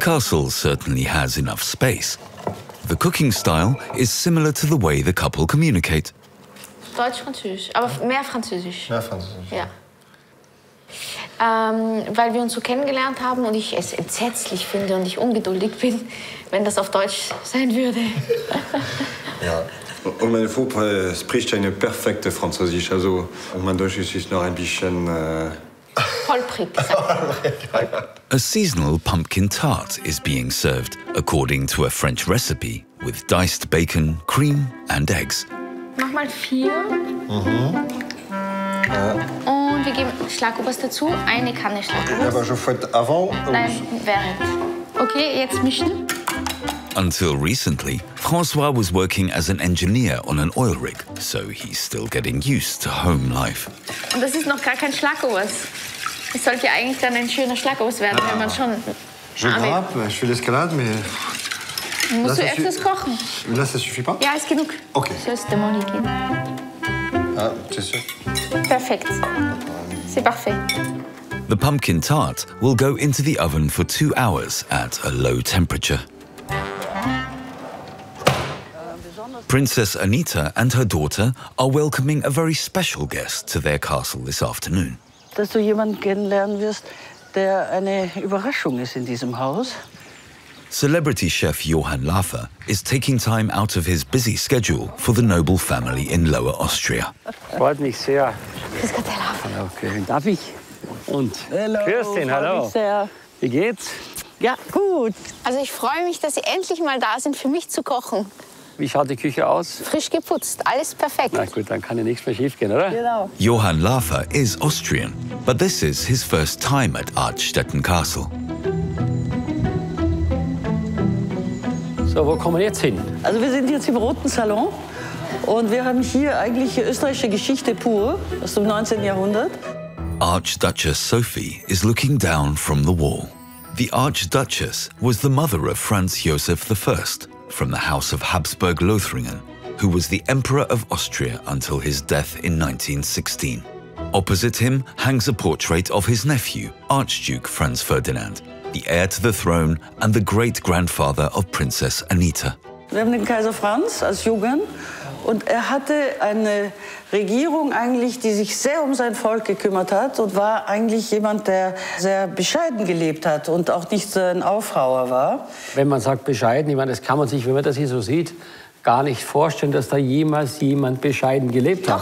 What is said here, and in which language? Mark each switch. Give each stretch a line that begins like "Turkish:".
English: castle certainly has enough space. The cooking style is similar to the way the couple communicate.
German: Deutsch, Französisch, aber mehr Französisch. Mehr Französisch. Ja. Weil wir uns so kennengelernt haben und ich es entsetzlich finde und ich ungeduldig bin, wenn das auf Deutsch sein würde. Ja. Und meine Frau spricht eine perfekte Französisch, also mein Deutsch ist noch ein bisschen holprig.
English: A seasonal pumpkin tart is being served, according to a French recipe, with diced bacon, cream and eggs.
German: Mach mal vier. Mhm. Ja. Und wir geben Schlagobers dazu, eine Kanne Schlagobers.
French: Aber je fait avant.
German: Nein, während. Okay, jetzt mischen.
English: Until recently, François was working as an engineer on an oil rig, so he's still getting used to home life.
German: Und das ist noch gar kein Schlagobers. Es sollte eigentlich dann ein schöner Schlagobers werden, wenn man schon. Je grappe, ich will Eskalade, aber. Musst du erst das kochen? Lass, das suffit pas? Ja, ist genug. Okay. So ist der Moni gehen.
French: Ah, c'est sûr. Perfekt. C'est parfait.
English: The pumpkin tart will go into the oven for 2 hours at a low temperature. Princess Anita and her daughter are welcoming a very special guest to their castle this afternoon.
German: Dass du jemanden kennenlernen wirst, der eine Überraschung ist in diesem Haus.
English: Celebrity chef Johann Lafer is taking time out of his busy schedule for the noble family in Lower Austria.
German: Freut mich sehr. Grüß Gott, Herr Lafer. Hallo, grüß dich. Darf ich? Und? Hallo. Grüß dich, hallo. Freut mich sehr. Wie geht's? Ja, gut. Also ich freue mich, dass Sie endlich mal da sind, für mich zu kochen. Wie schaut die Küche aus? Frisch geputzt, alles perfekt. Na gut, dann kann ja nichts mehr schief gehen, oder? Genau.
English: Johann Lafer is Austrian, but this is his first time at Archstetten Castle.
German: So, wo kommen wir jetzt hin? Also wir sind jetzt im Roten Salon und wir haben hier eigentlich österreichische Geschichte pur aus dem 19. Jahrhundert.
English: Archduchess Sophie is looking down from the wall. The Archduchess was the mother of Franz Josef I, from the House of Habsburg-Lothringen, who was the Emperor of Austria until his death in 1916. Opposite him hangs a portrait of his nephew, Archduke Franz Ferdinand, the heir to the throne and the great-grandfather of Princess Anita.
German: Wir haben den Kaiser Franz als Jungen und er hatte eine Regierung eigentlich, die sich sehr um sein Volk gekümmert hat und war eigentlich jemand, der sehr bescheiden gelebt hat und auch nicht so ein Aufhauer war. Wenn man sagt bescheiden, ich meine, das kann man sich, wenn man das hier so sieht, gar nicht vorstellen, dass da jemals jemand bescheiden gelebt hat.